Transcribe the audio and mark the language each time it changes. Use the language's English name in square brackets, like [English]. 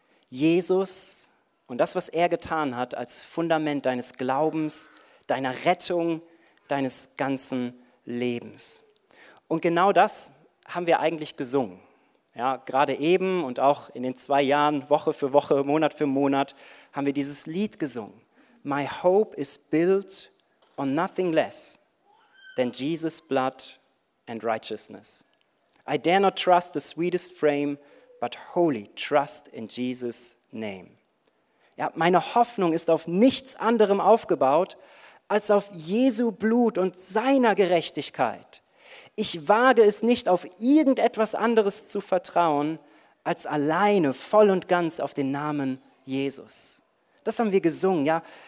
[German] Jesus und das, was er getan hat, als Fundament deines Glaubens, deiner Rettung, deines ganzen Lebens. Und genau das haben wir eigentlich gesungen. Ja, gerade eben und auch in den 2 Jahren, Woche für Woche, Monat für Monat, haben wir dieses Lied gesungen. [English] My hope is built on nothing less than Jesus' blood and righteousness. I dare not trust the sweetest frame, but wholly trust in Jesus' name. [German] Ja, meine Hoffnung ist auf nichts anderem aufgebaut, als auf Jesu Blut und seiner Gerechtigkeit. Ich wage es nicht, auf irgendetwas anderes zu vertrauen, als alleine, voll und ganz auf den Namen Jesus. Das haben wir gesungen, ja.